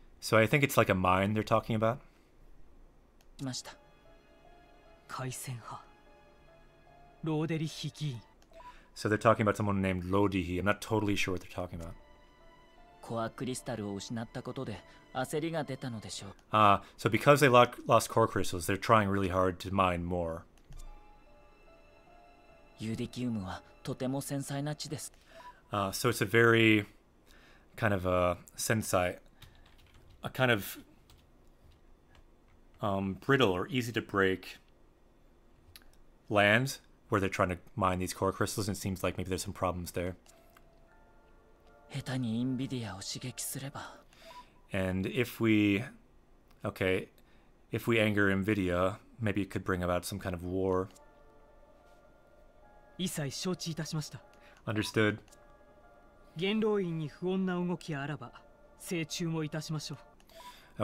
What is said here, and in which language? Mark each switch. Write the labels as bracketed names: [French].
[English] So I think it's like a mine they're talking about. [Japanese] ました。海戦派。ローデリヒ議員。 [English] So they're talking about someone named Lodihi. I'm not totally sure what they're talking about. [Japanese] コアクリスタルを失ったことで焦りが出たのでしょう。 [English] So because they lost core crystals, they're trying really hard to mine more. [Japanese] ユーディキウムはとても繊細な地です。 [English] So it's a very kind of a sensei, a kind of brittle or easy to break land where they're trying to mine these core crystals, and it seems like maybe there's some problems there. [Japanese] 下手にインビディアを刺激すれば。 [English] And if we, okay, if we anger Nvidia, maybe it could bring about some kind of war. [Japanese] 一切承知いたしました。 [English] Understood. [Japanese] 元老院に不穏な動きあらば、静注もいたしましょう。